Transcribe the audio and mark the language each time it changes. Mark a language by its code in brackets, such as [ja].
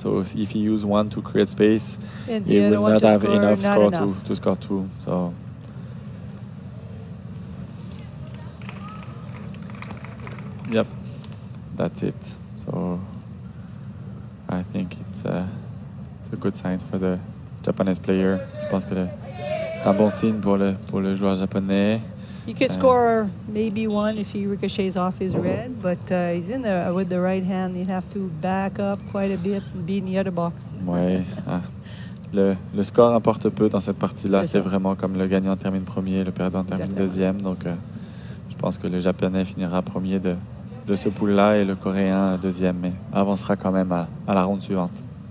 [en] So if he use one to create space, he will not have enough score to score two. So. Yep, that's it. So I think it's a good sign for the Japanese player. [fr] Je pense que c'est un bon signe pour le joueur japonais. [en] He could score maybe one if he ricochets off his red, but he's in there with the right hand. He'd have to back up quite a bit and be in the other box. [fr] Ouais. Le score importe peu dans cette partie-là. C'est vraiment comme le gagnant termine premier, le perdant termine deuxième. Donc je pense que le Japonais finira premier de ce pool-là et le Coréen deuxième, mais avancera quand même à la ronde suivante.